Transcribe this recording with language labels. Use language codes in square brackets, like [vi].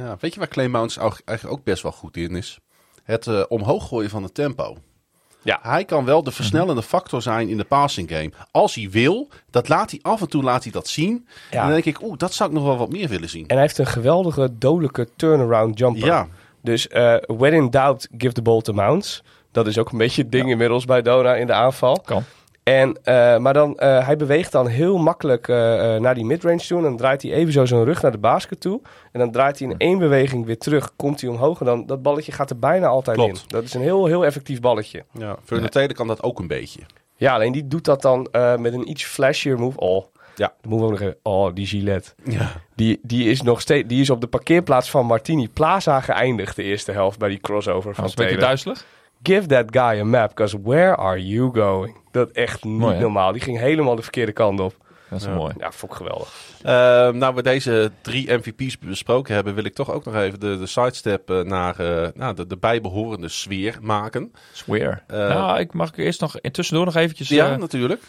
[nl] Ja, weet je waar Clay Mounts eigenlijk ook best wel goed in is? Het omhoog gooien van het tempo. Ja. Hij kan wel de versnellende factor zijn in de passing game. Als hij wil, dat laat hij af en toe laat hij dat zien. Ja. En dan denk ik, dat zou ik nog wel wat meer willen zien. En hij heeft een geweldige, dodelijke turnaround jumper. Ja. Dus [en] when in doubt, give the ball to Mounts. [nl] Dat is ook een beetje het ding inmiddels bij Dona in de aanval. Kan. Maar hij beweegt dan heel makkelijk naar die midrange toe. En dan draait hij even zo zijn rug naar de basket toe. En dan draait hij in 1 beweging weer terug. Komt hij omhoog en dan dat balletje gaat er bijna altijd Klopt. In. Dat is een heel, heel effectief balletje. Ja, voor de tweede kan dat ook een beetje. Ja, alleen die doet dat dan met een iets flashier move. Oh, dan moet ik ook nog even. Oh, die Gillette. Ja. Die is nog steeds. Die is op de parkeerplaats van Martini Plaza geëindigd de eerste helft bij die crossover van Taylor. Dat is een beetje duizelig. [en] Give that guy a map, because where are you going? [nl] Dat echt niet mooi, normaal. Die ging helemaal de verkeerde kant op. Dat is mooi. Ja, vond ik geweldig. Nou, we deze 3 MVP's besproken hebben, wil ik toch ook nog even de sidestep naar de bijbehorende sfeer maken. Sfeer. Ik mag eerst nog tussendoor nog eventjes... Ja, natuurlijk.